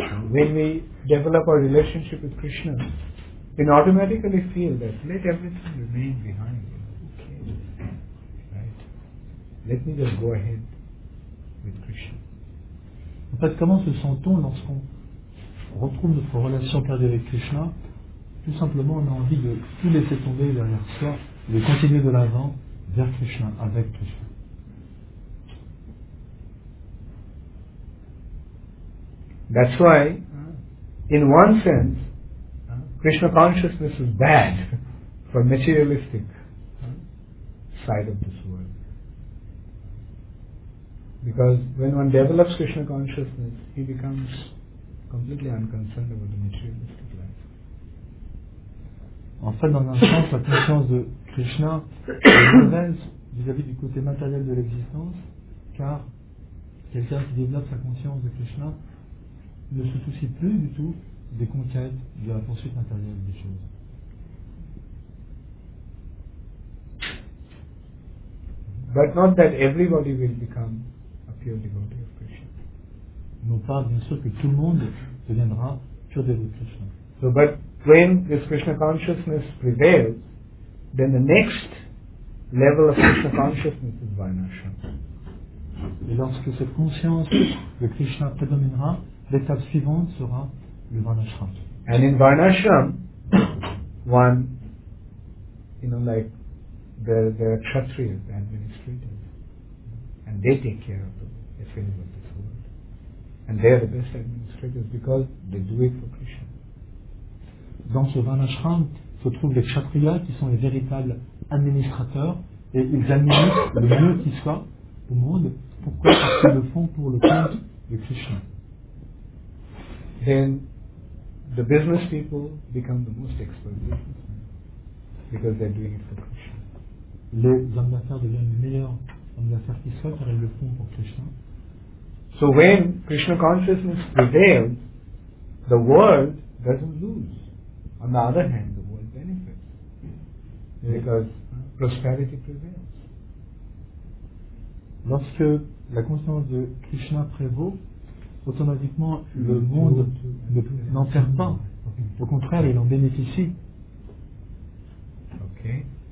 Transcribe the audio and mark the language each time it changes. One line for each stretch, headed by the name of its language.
English: When we develop our relationship with Krishna, we automatically feel that let everything remain behind me. Okay. Right? Let me just go ahead with Krishna.
French: En fait, comment se sent-on lorsqu'on retrouve notre relation perdue avec Krishna? Tout simplement, on a envie de tout laisser tomber derrière soi, de continuer de l'avant vers Krishna, avec Krishna.
English: That's why, in one sense, Krishna consciousness is bad for materialistic side of this world. Because when one develops Krishna consciousness, he becomes completely unconcerned about the materialistic life.
French: En fait, dans un sens, la conscience de Krishna est mauvaise vis-à-vis du côté matériel de l'existence, car quelqu'un qui développe sa conscience de Krishna ne se soucie plus du tout des conquêtes, de la poursuite matérielle des choses.
English: But not that everybody will become a pure devotee of Krishna.
French: Non pas bien sûr que tout le monde deviendra
English: pure devotee
French: de Krishna.
English: So, but when this Krishna consciousness prevails, then the next level of Krishna consciousness is Vaiṇaśrama.
French: Et lorsque cette conscience de Krishna prédominera, l'étape suivante sera le Vaiṇaśrama.
English: And in Vaiṇaśrama, one, you know, like there are kshatriyas, the administrators, and they take care of the affairs of this world. And they are the best administrators because they do it for Krishna.
French: Dans ce Vaiṇaśrama se trouvent les kshatriyas qui sont les véritables administrateurs et ils administrent le mieux qui soit au monde. Pourquoi? Parce qu'ils le font pour le compte de Krishna.
English: Then the business people become the most expert businessmen because they're doing it for Krishna.
French: Les hommes d'affaires deviennent les meilleurs hommes d'affaires qui soient car ils le font pour Krishna.
English: So when Krishna consciousness prevails, the world doesn't lose. On the other hand, the world benefits because prosperity prevails.
French: Lorsque la conscience de Krishna prévaut, automatiquement, le monde n'en perd pas. Au contraire, il en bénéficie. Ok.